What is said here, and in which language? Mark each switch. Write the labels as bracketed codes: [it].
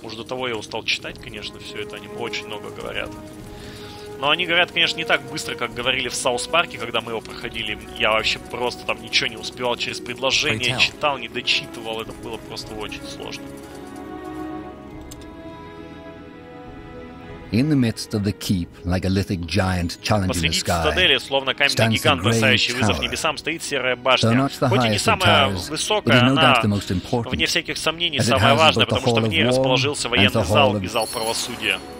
[ru] Уж до того я устал читать, конечно, все это. Они очень много говорят. Но они говорят, конечно, не так быстро, как говорили в Саус Парке, когда мы его проходили. Я вообще просто там ничего не успевал через предложение. Читал, не дочитывал. Это было просто очень сложно. [en] In the midst of the keep, like a lithic giant challenging the sky, [ru] словно каменный гигант, бросающий вызов небесам, стоит серая башня. Хоть и не самая высокая, она, вне всяких сомнений, самая важная, потому что в ней расположился военный зал и зал правосудия.